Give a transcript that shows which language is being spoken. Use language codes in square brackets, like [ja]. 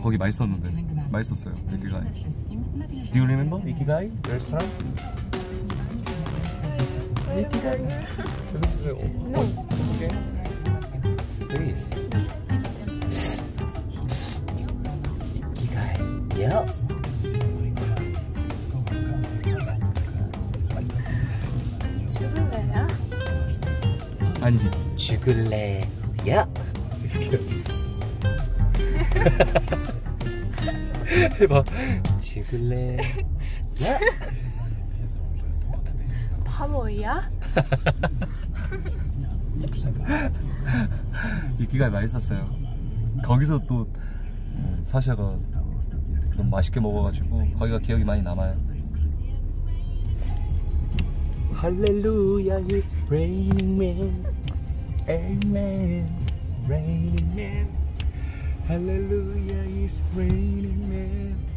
[ko] 거기 맛있었는데 맛있었어요 이키가이. [en] Do you remember 이키가이 restaurant? [ko] 이키가이. [en] No. Please. Yeah. [ko] 아니지. 죽을래. Yeah. 해봐. 죽을래. Yeah. 바보야? 이끼가 맛있었어요. 거기서 또 사샤가 너무 맛있게 먹어가지고 거기가 기억이 많이 남아요. [en] 할렐루야 it's raining man. Amen. Raining man. Halleluya it's raining man.